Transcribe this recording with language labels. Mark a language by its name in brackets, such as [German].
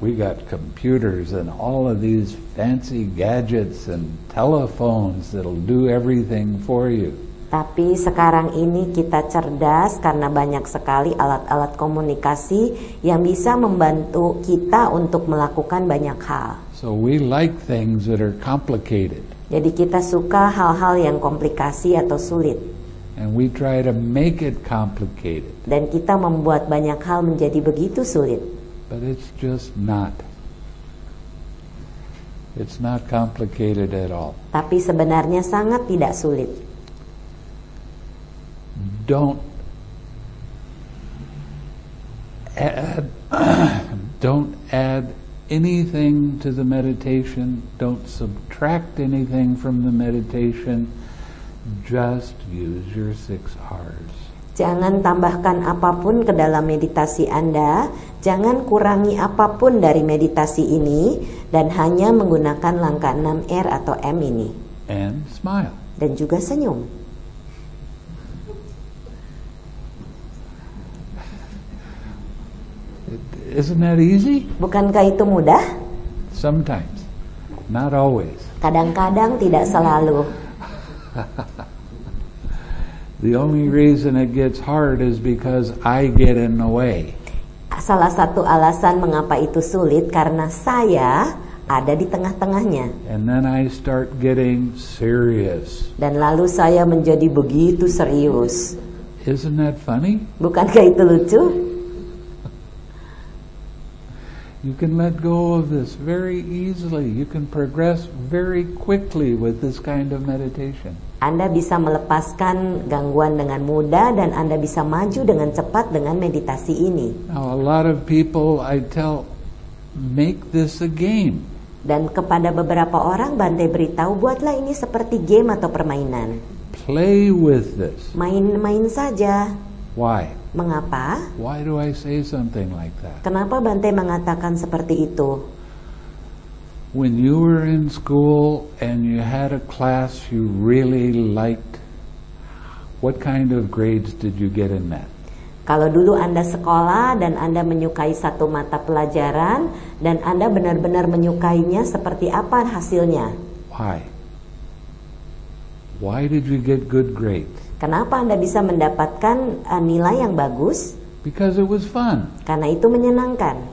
[English] We got computers and all of these fancy gadgets and telephones that'll do everything for you. [Indonesian] Tapi sekarang ini kita cerdas karena banyak sekali alat-alat komunikasi yang bisa membantu kita untuk melakukan banyak hal. [English] So we like things that are complicated. [Indonesian] Jadi kita suka hal-hal yang komplikasi atau sulit. [English] And we try to make it complicated. [Indonesian] Dan kita membuat banyak hal menjadi begitu sulit. [English] But it's not complicated at all. [Indonesian] Tapi sebenarnya sangat tidak sulit. [English] Don't add anything to the meditation. Don't subtract anything from the meditation. Just use your six R's. [Indonesian] Jangan tambahkan apapun ke dalam meditasi Anda, jangan kurangi apapun dari meditasi ini, dan hanya menggunakan langkah 6 R atau M ini. [English] And smile. [Indonesian] Dan juga senyum. [English] Isn't that easy? [Indonesian] Bukankah itu mudah? [English] Sometimes. Not always. [Indonesian] Kadang-kadang, tidak selalu. [English] The only reason it gets hard is because I get in the way. [Indonesian] Salah satu alasan mengapa itu sulit karena saya ada di tengah-tengahnya. [English] And then I start getting serious. [Indonesian] Dan lalu saya menjadi begitu serius. [English] Isn't that funny? [Indonesian] Bukankah itu lucu? [English] You can let go of this very easily. You can progress very quickly with this kind of meditation. [Indonesian] Anda bisa melepaskan gangguan dengan mudah dan Anda bisa maju dengan cepat dengan meditasi ini. [English] Now, a lot of people I tell, make this a game. [Indonesian] Dan kepada beberapa orang Bante beritahu, buatlah ini seperti game atau permainan. [English] Play with this. [Indonesian] Main-main saja. [English] Why? [Indonesian] Mengapa? [English] Why do I say something like that? [Indonesian] Kenapa Bante mengatakan seperti itu? [English] When you were in school and you had a class you really liked, what kind of grades did you get in that? [Indonesian] Kalau dulu Anda sekolah dan Anda menyukai satu mata pelajaran dan Anda benar-benar menyukainya, seperti apa hasilnya? [English] Why? Why did you get good grades? [Indonesian] Kenapa Anda bisa mendapatkan nilai yang bagus? [English] Because it was fun. [Indonesian] Karena itu menyenangkan.